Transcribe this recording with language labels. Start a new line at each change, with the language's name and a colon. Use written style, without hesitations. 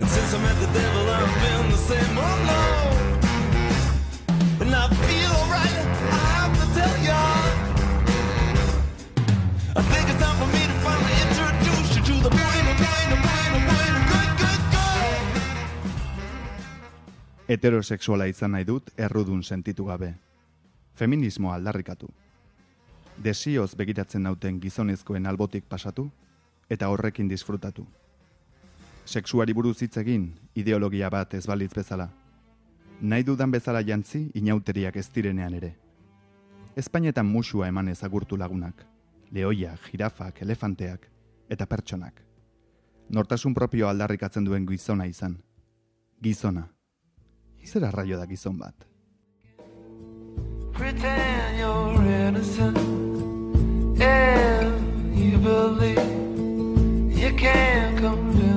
English: I met the devil, I've been the same, oh no. And I feel alright, I have to tell y'all. I think it's time for me to finally introduce you to the bueno, good, good, good.
Basque: Heterosexuala izan nahi dut errudun sentitu gabe. Feminismoa aldarrikatu. Desioz begiratzen nauten gizonezkoen albotik pasatu eta horrekin disfrutatu. Sexuari buruz hitz egin, ideologia bat ez balitz bezala. Nahi dudan bezala jantzi, inauteriak ez direnean ere. Espainetan musua eman ezagurtu lagunak, lehoiak, jirafak, elefanteak eta pertsonak. Nortasun propio aldarrikatzen duen gizona izan. Gizona. Zer arraio da gizon bat?
English: Pretend you're innocent and you believe you can't come.